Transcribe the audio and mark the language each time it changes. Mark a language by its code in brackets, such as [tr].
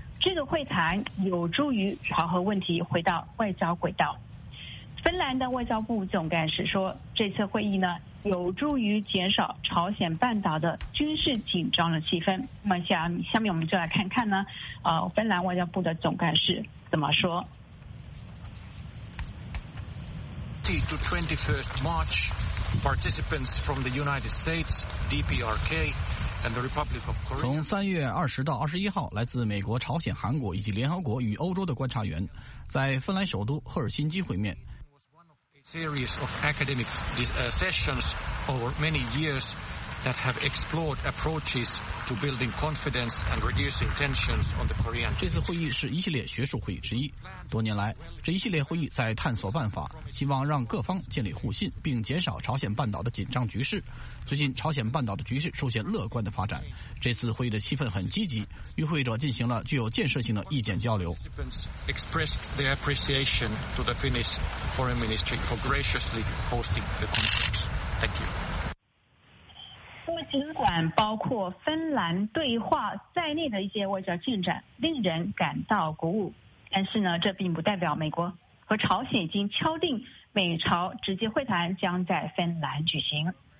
[zh] 这个会谈有助于朝核问题回到外交轨道。芬兰的外交部总干事说，这次会议呢，有助于减少朝鲜半岛的军事紧张的气氛。那么下面我们就来看看呢，芬兰外交部的总干事怎么说。 [en] To 21st March, participants from the United States, DPRK, and the Republic of Korea. [zh] 从三月二十到二十一号，来自美国、朝鲜、韩国以及联合国与欧洲的观察员，在芬兰首都赫尔辛基会面。 [en] Series of academic sessions over many years that have explored approaches to building confidence and reducing tensions on the Korean. [zh] 这次会议是一系列学术会议之一。多年来，这一系列会议在探索办法，希望让各方建立互信，并减少朝鲜半岛的紧张局势。最近，朝鲜半岛的局势出现乐观的发展。这次会议的气氛很积极，与会者进行了具有建设性的意见交流。 [en] Expressed their appreciation to the Finnish Foreign Ministry for graciously hosting the conference. Thank you. [zh] 尽管包括芬兰对话在内的一些外交进展令人感到鼓舞，但是呢，这并不代表美国和朝鲜已经敲定美朝直接会谈将在芬兰举行。